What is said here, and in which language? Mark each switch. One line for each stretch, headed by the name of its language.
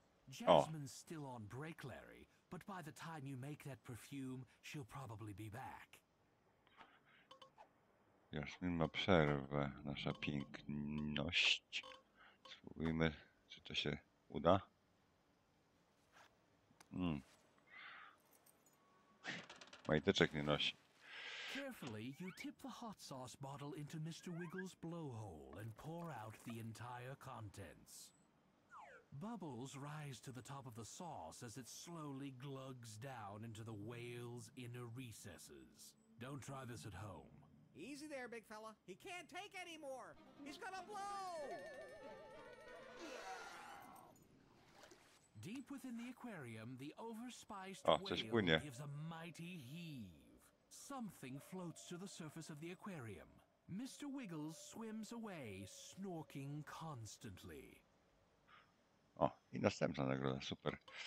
English: Jasmine's still on break, Larry, but by the time you make that perfume, she'll probably be back.
Polish: Jasmine ma przerwę, nasza piękność. Spróbujmy, czy to się uda. Majteczek nie nosi.
English: Carefully, you tip the hot sauce bottle into Mr. Wiggle's blowhole and pour out the entire contents. Bubbles rise to the top of the sauce as it slowly glugs down into the whale's inner recesses. Don't try this at home. Easy there, big fella. He can't take anymore. He's gonna blow! Deep within the aquarium, the overspiced whale gives a mighty heave. Something floats to the surface of the aquarium. Mr. Wiggles swims away, snorking constantly.
Polish: O, i następna nagroda, super.